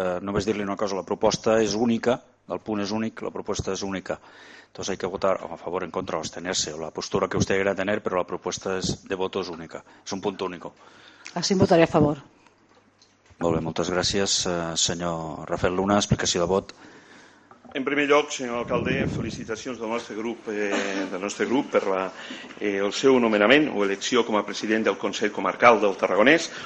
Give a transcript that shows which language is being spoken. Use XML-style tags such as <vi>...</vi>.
<ca>Només dir-li una cosa. La proposta és única, el punt és únic, la proposta és única.</ca> <es>Entonces, hay que votar a favor, en contra o abstenerse. La postura que usted quiera tener, pero la propuesta es de voto es única. Es un punto único. Así votaré a favor.</es> <ca>Molt bé, moltes gràcies, senyor Rafael Luna. Explicació de vot. En primer lloc, senyor alcalde, felicitacions del nostre grup per el seu nomenament o elecció com a president del Consell Comarcal del Tarragonès.</ca>